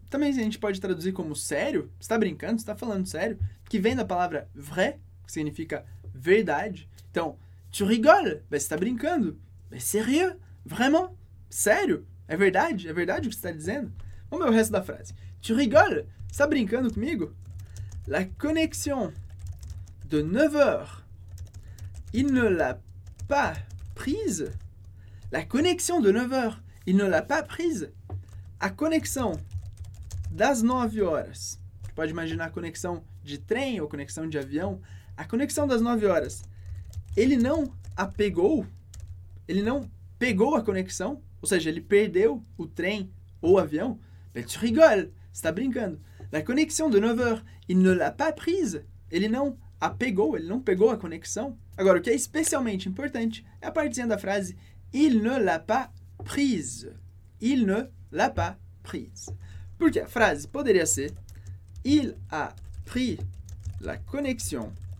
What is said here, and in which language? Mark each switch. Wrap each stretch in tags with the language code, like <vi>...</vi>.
<pt>Também a gente pode traduzir como sério. Você está brincando? Você está falando sério? Que vem da palavra vrai, que significa verdade. Então,</pt> <fr>tu rigoles?</fr> <pt>Mas você está brincando?</pt> <fr>Mais sérieux? Vraiment?</fr> <pt>Sério? É verdade? É verdade o que você está dizendo? Vamos ver o resto da frase.</pt> <fr>Tu rigoles?</fr> <pt>Você está brincando comigo?</pt> <fr>La connexion de 9h, il ne l'a pas prise. La connexion de 9h, il ne l'a pas prise.</fr> <pt>A conexão das 9 horas. Você pode imaginar a conexão de trem ou conexão de avião. A conexão das 9 horas. Ele não a pegou? Ele não pegou a conexão? Ou seja, ele perdeu o trem ou o avião?</pt> <fr>Mais tu rigoles,</fr> <pt>você está brincando.</pt> <fr>La</fr> <pt>conexão de 9 horas,</pt> <fr>il ne l'a pas prise.</fr> <pt>Ele não a pegou, ele não pegou a conexão. Agora, o que é especialmente importante é a partezinha da frase</pt> <fr>Il ne l'a pas prise. Il ne l'a pas prise.</fr> <pt>Porque a frase poderia ser:</pt> <fr>Il a pris la connexion.</fr>